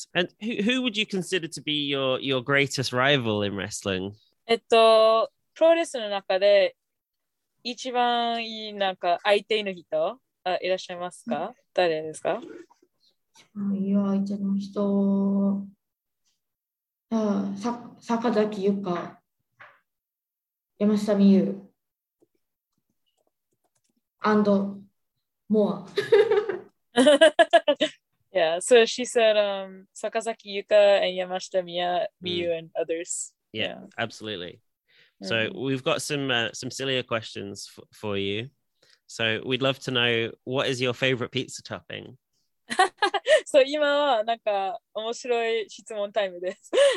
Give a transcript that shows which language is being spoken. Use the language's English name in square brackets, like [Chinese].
[English] And who would you consider to be your greatest rival in wrestling? [Japanese] プロレスの中で一番いいなんか相手の人いらっしゃいますか？誰ですか？一番いい相手の人。坂崎優花、山下美優、アンド、モア。 [English] Yeah, so she said, 坂崎優花 and 山下美優 and others. Yeah, absolutely. So we've got some sillier questions for you. So we'd love to know, what is your favorite pizza topping? [Japanese] そう、今はなんか面白い質問タイムです。